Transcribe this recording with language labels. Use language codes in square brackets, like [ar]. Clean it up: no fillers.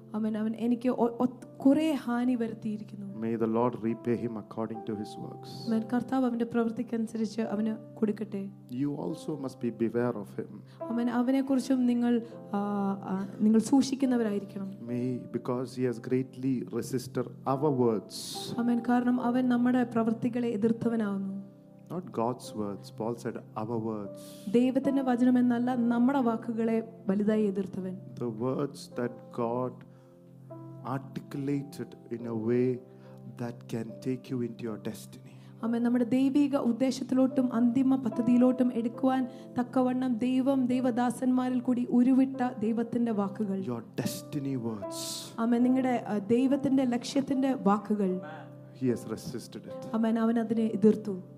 [ml] അവൻ എനിക്ക് കുറേ ഹാനി വരുത്തിയിരിക്കുന്നു. [en] May the Lord repay him according to his works. [ml] കർത്താവ് അവന്റെ പ്രവൃത്തിക്കനുസരിച്ച് അവന് കൊടുക്കട്ടെ. [en] You also must be beware of him. [ml] അവനെ കുറിച്ചും നിങ്ങൾ സൂക്ഷിക്കുന്നവരായിരിക്കണം. [en] May because he has greatly resisted our words. [ml] കാരണം അവൻ നമ്മുടെ പ്രവൃത്തികളെ എതിർത്തവനാകുന്നു. [en] Not God's words. Paul said our words. [ml] ദൈവത്തിന്റെ വചനം എന്നല്ല നമ്മുടെ വാക്കുകളെ വലുതായി എതിർത്തവൻ. [en] The words that God articulated in a way that can take you into your destiny. Amen. [ml] നമ്മുടെ ദൈവിക ഉദ്ദേശത്തിലോട്ടും അന്തിമ പദ്ധതിയിലോട്ടും എടുക്കുവാൻ തക്കവണ്ണം ദൈവം ദൈവദാസന്മാരിൽ കൂടി ഉരുവിട്ട ദൈവത്തിന്റെ വാക്കുകൾ. [en] Your destiny words. Amen. [ml] നിങ്ങളുടെ ദൈവത്തിന്റെ ലക്ഷ്യത്തിന്റെ വാക്കുകൾ. [en] He has resisted it. [ml] Amen. അവൻ അതിനെ എതിർത്തു.